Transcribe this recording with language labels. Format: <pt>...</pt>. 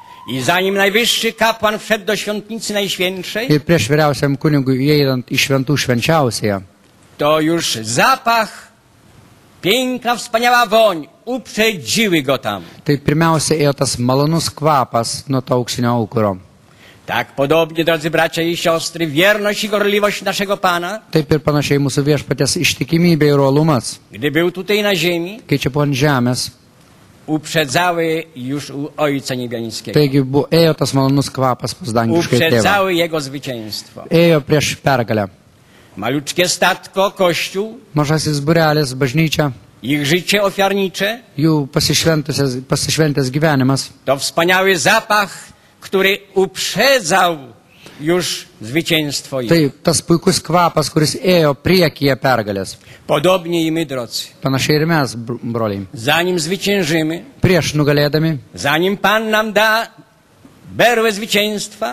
<pl>I zanim najwyższy kapłan wszedł do świątnicy najświętszej.</pl> <lt>Ir prieš vyriausiam kunigui įeinant į šventų švenčiausiąją.</lt> <pl>To już zapach, piękna, wspaniała woń uprzedziły go tam.</pl> <lt>Tai pirmiausia ėjo tas malonus kvapas nuo to auksinio aukuro.</lt> <pl>Tak podobnie, drodzy bracia i siostry, wierność i gorliwość naszego Pana.</pl> <lt>Taip ir panašiai mūsų Viešpaties ištikimybė ir uolumas.</lt> <pl>Gdy był tutaj na ziemi.</pl> <lt>Kai čia buvo ant žemės.</lt> <pl>Uprzedzały już u Ojca Niebiańskiego.</pl> <lt>Taigi ėjo tas malonus kvapas pas dangiškąjį Tėvą.</lt> <pl>Uprzedzały jego zwycięstwo.</pl> <lt>Ėjo prieš pergalę.</lt> <pl>Maliučkie statko, kościół.</pl> <lt>Mažasis būrelis, bažnyčia.</lt> <pl>Ich życie ofiarnicze.</pl> <lt>Jų pasišventęs gyvenimas.</lt> <pl>To wspaniały zapach, który uprzedzał już zwycięstwo ich.</pl> <lt>Tai tas puikus kvapas, kuris ėjo priekyje pergalės.</lt> <pl>Podobnie i my, drodzy.</pl> <lt>Panašiai ir mes, broliai.</lt> <pl>Zanim zwyciężymy.</pl> <lt>Prieš nugalėdami.</lt> <pl>Zanim Pan nam da berłę zwycięstwa.</pl>